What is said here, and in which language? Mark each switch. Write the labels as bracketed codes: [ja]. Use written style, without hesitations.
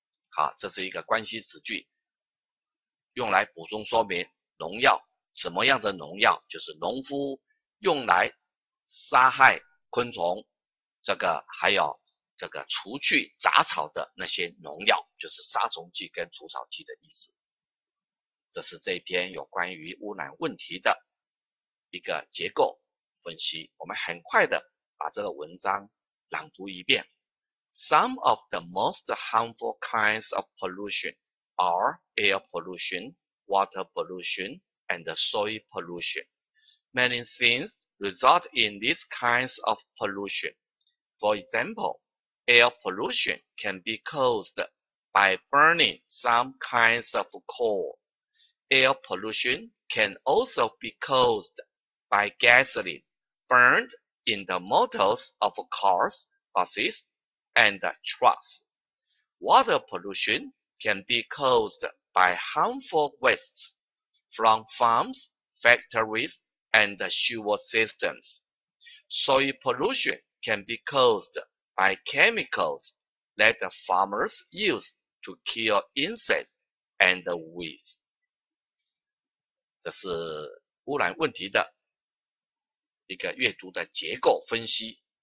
[zh] 好，这是一个关系词句，用来补充说明农药，什么样的农药，就是农夫用来杀害昆虫，这个还有这个除去杂草的那些农药，就是杀虫剂跟除草剂的意思。这是这一篇有关于污染问题的一个结构分析。我们很快的把这个文章朗读一遍。 [en] Some of the most harmful kinds of pollution are air pollution, water pollution, and soil pollution. Many things result in these kinds of pollution. For example,Air pollution can be caused by burning some kinds of coal. Air pollution can also be caused by gasoline burned in the motors of cars, buses, and trucks. Water pollution can be caused by harmful wastes from farms, factories, and sewer systems. Soil pollution can be caused by chemicals that the farmers use to kill insects and weeds. [zh] 这是污染问题的一个阅读的结构分析。